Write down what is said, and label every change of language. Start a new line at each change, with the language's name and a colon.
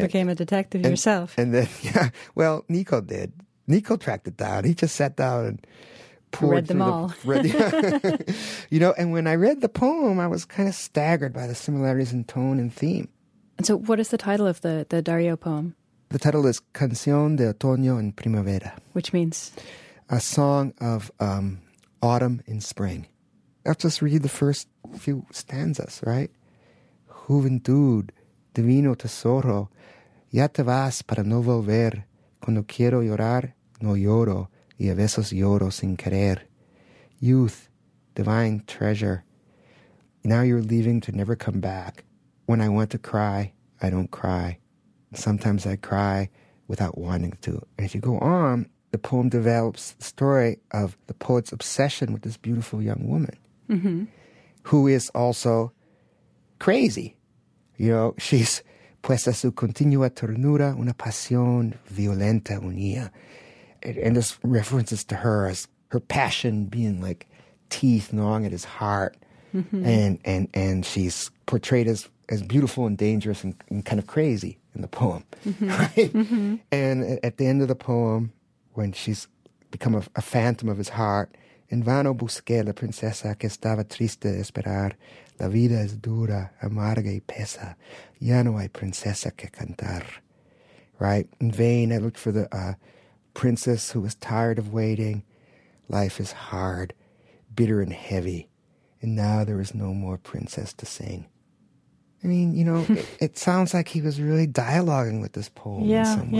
English: it. You became a detective yourself. And then, well, Nico did. Nico tracked it down. He just sat down and read them all. You know, and when I read the poem, I was kind of staggered by the similarities in tone and theme. And so what is the title of the Darío poem? The title is Canción de Otoño en Primavera. Which means? A song of autumn in spring. I'll just read the first few stanzas, right?
Spanish: Juventud, divino tesoro, ya te vas para no volver. Cuando quiero llorar, no lloro, y a veces lloro sin querer.
English: Youth, divine treasure, now you're leaving to never come back. When I want to cry, I don't cry. Sometimes I cry without wanting to. And if you go on, the poem develops the story of the poet's obsession with this beautiful young woman, who is also crazy. You know, she's
Spanish: pues a su continua ternura, una pasión violenta unía.
English: And this references to her as her passion being like teeth gnawing at his heart. And she's portrayed as beautiful and dangerous and kind of crazy in the poem. And at the end of the poem, when she's become a phantom of his heart,
Spanish: en vano busqué la princesa que estaba triste de esperar. La vida es dura, amarga y pesa. Ya no hay princesa que cantar.
English: Right? In vain, I looked for the princess who was tired of waiting. Life is hard, bitter and heavy. And now there is no more princess to sing. I mean, you know, it sounds like he was really dialoguing with this poem in some way.